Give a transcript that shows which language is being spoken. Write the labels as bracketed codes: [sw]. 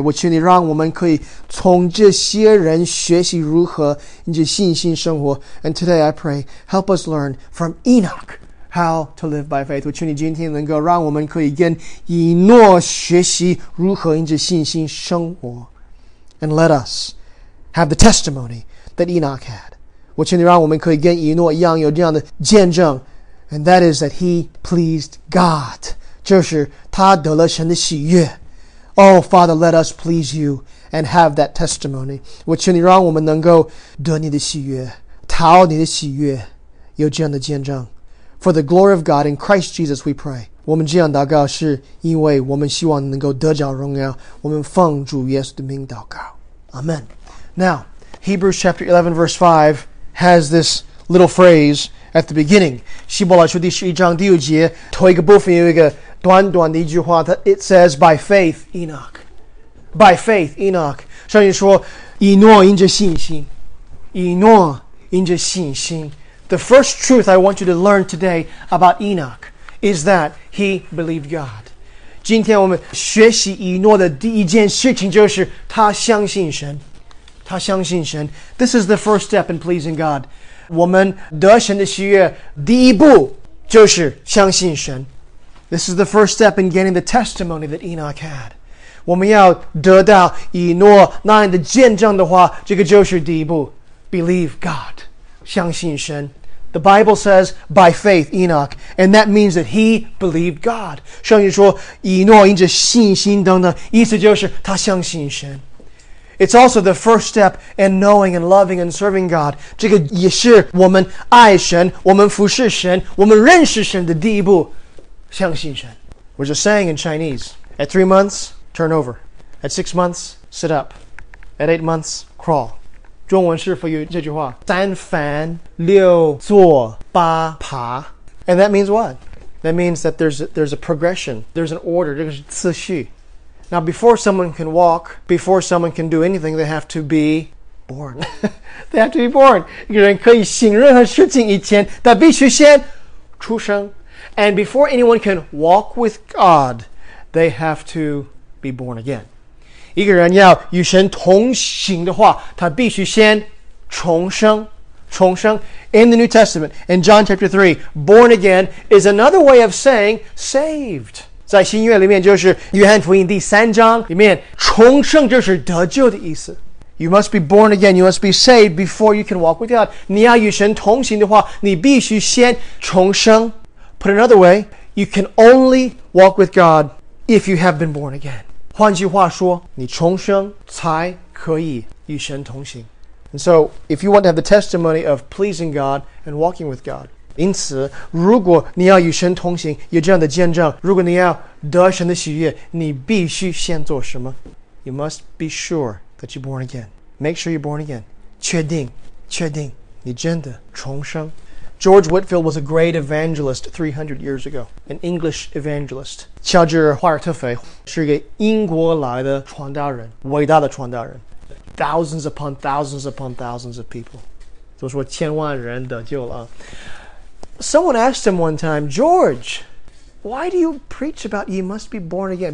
[zh] 我求你让我们可以从这些人学习如何因着信心生活。 [en] And today I pray, help us learn from Enoch how to live by faith. [zh] 我求你今天能够让我们可以跟以诺学习如何因着信心生活。 [en] And let us have the testimony that Enoch had. [zh] 我求你让我们可以跟以诺一样有这样的见证。 [en] And that is that he pleased God. [zh] 就是他得了神的喜悦。 [en] Oh, Father, let us please you and have that testimony. [zh] 我求你让我们能够得你的喜悦，讨你的喜悦，有这样的见证。 [en] For the glory of God in Christ Jesus, we pray. [zh] 我们这样祷告是因为我们希望能够得着荣耀。我们奉主耶稣的名祷告。 [en] Amen. Now, Hebrews chapter 11, verse 5 has this little phrase,At the beginning, [zh] 希伯来书第十一章第五节，头一个部分有一个短短的一句话。 [en] It says, "By faith, Enoch." By faith, Enoch. [zh] 上帝说，以诺因着信心，以诺因着信心。 [en] The first truth I want you to learn today about Enoch is that he believed God. [zh] 今天我们学习以诺的第一件事情就是他相信神，他相信神。 [en] This is the first step in pleasing God. [zh] 我们得神的喜悦第一步就是相信神。 [en] This is the first step in getting the testimony that Enoch had. [zh] 我们要得到以诺那样的见证的话，这个就是第一步。 [en] Believe God. [zh] 相信神。 [en] The Bible says, by faith, Enoch. And that means that he believed God. [zh] 圣经说，以诺因着信心等等，意思就是他相信神。 [en] It's also the first step in knowing and loving and serving God. [zh] 这个也是我们爱神，我们服侍神，我们认识神的第一步，相信神。 [en] There's a saying in Chinese, at 3 months, turn over. At 6 months, sit up. At 8 months, crawl. [zh] 中文是否有这句话？三翻六坐八爬。 [en] And that means what? That means that there's a progression, there's an order, [zh] 这个是次序。 [en] Now, before someone can walk, before someone can do anything, they have to be born. They have to be born. [zh] 一个人可以行任何事情以前，他必须先出生。 [en] And before anyone can walk with God, they have to be born again. [zh] 一个人要与神同行的话，他必须先重生。重生 [en] in the New Testament, in John chapter 3, born again is another way of saying saved. [zh] 在新约里面就是约翰福音第三章里面重生就是得救的意思。 [en] You must be born again, you must be saved before you can walk with God. [zh] 你要与神同行的话，你必须先重生。 [en] Put another way, you can only walk with God if you have been born again. [zh] 换句话说，你重生才可以与神同行。 [en] And so, if you want to have the testimony of pleasing God and walking with God, [zh] 因此如果你要与神同行有这样的见证如果你要得神的喜悦你必须先做什么 [en] You must be sure that you're born again. Make sure you're born again. [zh] 确定你真的重生。 [en] George Whitefield was a great evangelist 300 years ago. An English evangelist. [zh] 乔治·华尔特菲是一个英国来的传道人伟大的传道人。 [en] Thousands upon thousands upon thousands of people. [zh] 怎么说千万人得救了啊。 [en] Someone asked him one time, George, why do you preach about you must be born again?